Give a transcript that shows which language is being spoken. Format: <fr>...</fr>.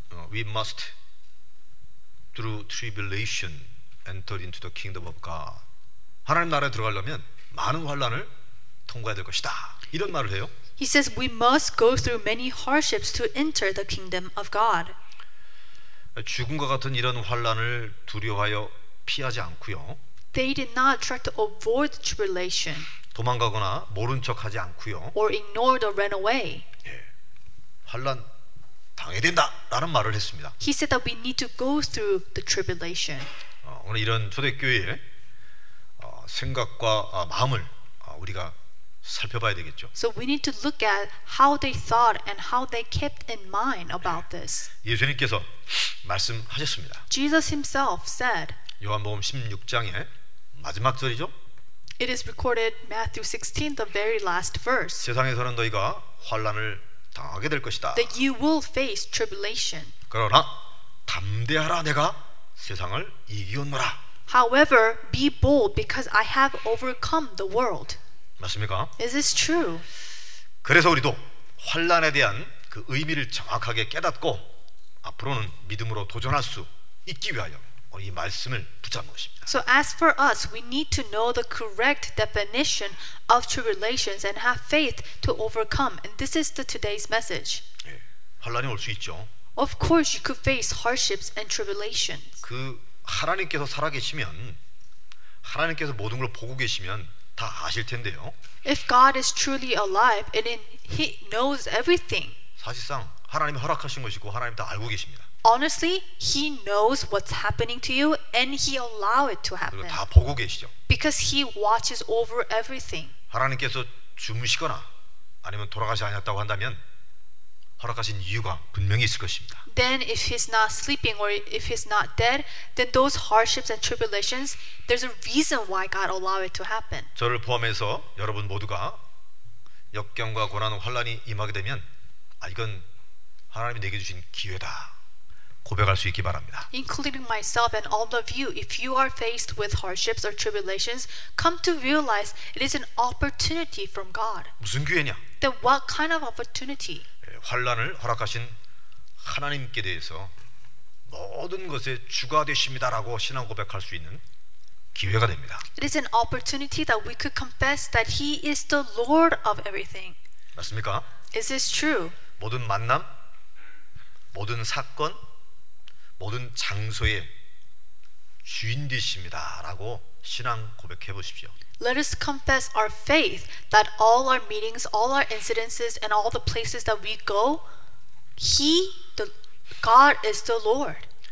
<en>We must through tribulation enter into the kingdom of God.</en> <ko>하나님 나라에 들어가려면 많은 환난을 통과해야 될 것이다. 이런 말을 해요.</ko> <en>He says we must go through many hardships to enter the kingdom of God.</en> <ko>죽음과 같은 이런 환난을 두려워하여 피하지 않고요.</ko> <en>They did not try to avoid tribulation.</en> <ko>도망가거나 모른 척하지 않고요.</ko> <en>Or ignored or ran away.</en> <ko>예, 환난 당해야 된다라는 말을 했습니다.</ko> <en>He said that we need to go through the tribulation.</en> <ko>오늘 이런 초대교회의 생각과 마음을 우리가 살펴봐야 되겠죠.</ko> <en>So we need to look at how they thought and how they kept in mind about this.</en> <ko>예수님께서 말씀하셨습니다.</ko> <en>Jesus himself said.</en> <ko>요한복음 16장의 마지막 절이죠.</ko> <en>It is recorded Matthew 16, the very last verse.</en> <ko>세상에서는 너희가 환난을 당하게 될 것이다.</ko> <en>That you will face tribulation.</en> <ko>그러나 담대하라 내가 세상을 이기었노라.</ko> <en>However, be bold because I have overcome the world.</en> <ko>맞습니까?</ko> <en>Is this true?</en> <ko>그래서 우리도 환난에 대한 그 의미를 정확하게 깨닫고 앞으로는 믿음으로 도전할 수 있기 위하여 이 말씀을 붙잡는 것입니다.</ko> <en>So as for us, we need to know the correct definition of tribulations and have faith to overcome. And this is today's message.</en> <ko>예, 환난이 올 수 있죠.</ko> <en>Of course, you could face hardships and tribulations.</en> <ko>그 하나님께서 살아계시면, 하나님께서 모든 걸 보고 계시면 다 아실 텐데요.</ko> <en>If God is truly alive, and He knows everything.</en> <ko>사실상 하나님이 허락하신 것이고 하나님 다 알고 계십니다.</ko> <en>Honestly, He knows what's happening to you, and He allow it to happen.</en> <ko>그리고 다 보고 계시죠.</ko> <en>Because He watches over everything.</en> <ko>하나님께서 주무시거나 아니면 돌아가지 않았다고 한다면 허락하신 이유가 분명히 있을 것입니다.</ko> <en>Then, if He's not sleeping or if He's not dead, then those hardships and tribulations, there's a reason why God allow it to happen.</en> <ko>저를 포함해서 여러분 모두가 역경과 고난, 환난이 임하게 되면, 아 이건 하나님이 내게 주신 기회다. 고백할 수 있기 바랍니다.</ko> <en>Including myself and all of you, if you are faced with hardships or tribulations, come to realize it is an opportunity from God.</en> <ko>무슨 기회냐?</ko> <en>Then what kind of opportunity?</en> <ko>환난을 허락하신 하나님께 대해서 모든 것의 주가 되십니다라고 신앙 고백할 수 있는 기회가 됩니다.</ko> <en>It is an opportunity that we could confess that He is the Lord of everything.</en> <ko>맞습니까?</ko> <en>Is this true?</en> <ko>모든 만남, 모든 사건, 모든 장소에 주인 되십니다라고 신앙 고백해 보십시오.</ko> <en>Let us confess our faith that all our meetings, all our incidences, and all the places that we go, He, the God, is the Lord.</en>